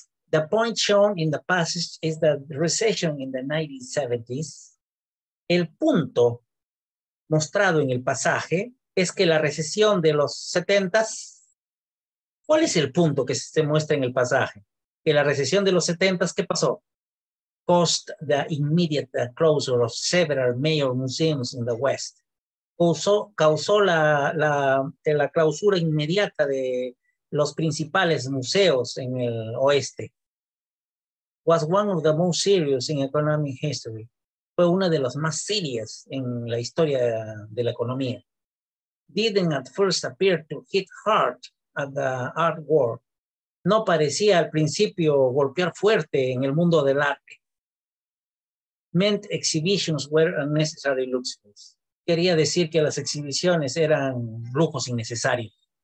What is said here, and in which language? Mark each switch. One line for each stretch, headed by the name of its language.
English: The point shown in the passage is the recession in the 1970s.
Spanish: El punto mostrado en el pasaje es que la recesión de los 70s. ¿Cuál es el punto que se muestra en el pasaje? Que la recesión de los 70s, ¿qué pasó?
English: Caused the immediate closure of several major museums in the West.
Spanish: Causó la clausura inmediata de los principales museos en el oeste.
English: Was one of the most serious in economic history.
Spanish: Fue una de las más serias en la historia de la economía.
English: Didn't at first appear to hit hard at the art world.
Spanish: No parecía al principio golpear fuerte en el mundo del arte.
English: Meant exhibitions were unnecessary luxuries.
Spanish: Quería decir que las exhibiciones eran lujos innecesarios.